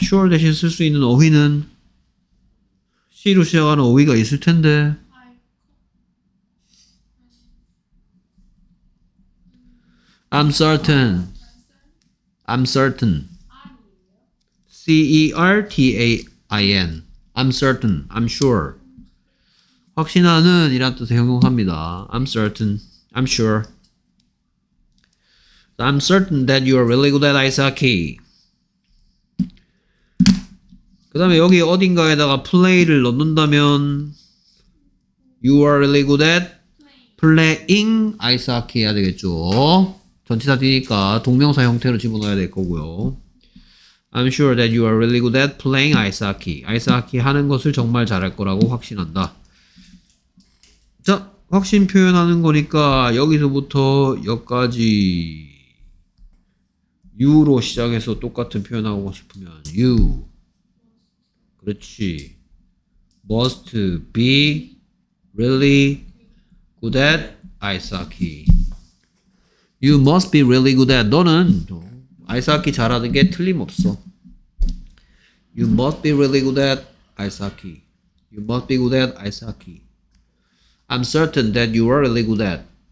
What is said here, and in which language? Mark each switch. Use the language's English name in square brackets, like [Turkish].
[Korean] sure 대신 쓸 수 있는 어휘는 C로 시작하는 어휘가 있을 텐데 [English] I'm certain. I'm certain. C-E-R-T-A-I-N. I'm certain. I'm sure. [Korean] 확신하는 이란 뜻에 형용합니다. [English] I'm certain. I'm sure. I'm certain that you are really good at ice hockey. [Korean] 그 다음에 여기 어딘가에다가 play를 넣는다면 [English] you are really good at playing ice hockey [Korean] 해야 되겠죠. 전치사 뒤니까 동명사 형태로 집어넣어야 될 거고요. [English] I'm sure that you are really good at playing ice hockey. [Korean] Ice hockey 하는 것을 정말 잘할 거라고 확신한다. 자, 확신 표현하는 거니까 여기서부터 여기까지 you로 시작해서 똑같은 표현하고 싶으면 you 그렇지 [English] must be really good at ice hockey. You must be really good at. [Korean] 너는 아이스하키 잘하는 게 틀림없어. [English] You must be really good at ice hockey. You must be good at ice hockey. I'm certain that you are really good at.